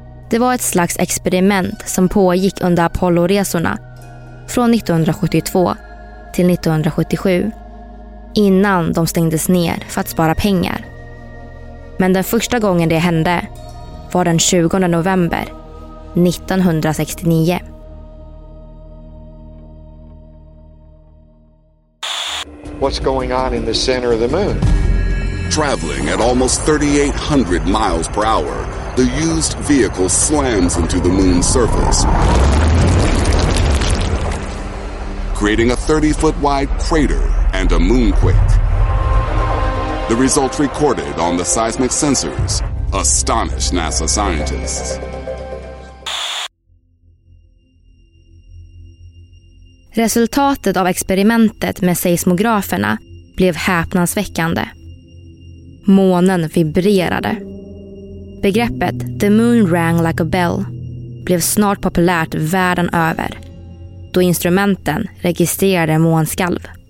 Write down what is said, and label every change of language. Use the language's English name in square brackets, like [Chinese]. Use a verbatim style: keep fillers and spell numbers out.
[Swedish] Det var ett slags experiment som pågick under Apollo-resorna från nittonhundrasjuttiotvå till nittonhundrasjuttiosju innan de stängdes ner för att spara pengar. Men den första gången det hände var den tjugonde november nittonhundrasextionio. [English] What's going on in the center of the moon? Traveling at almost thirty-eight hundred miles per hour, the used vehicle slams into the moon's surface, creating a thirty-foot wide crater and a moonquake. The result recorded on the seismic sensors astonished NASA scientists. [Swedish] Resultatet av experimentet med seismograferna blev häpnadsväckande. Månen vibrerade. Begreppet The Moon Rang Like a Bell blev snart populärt världen över då instrumenten registrerade månskalv.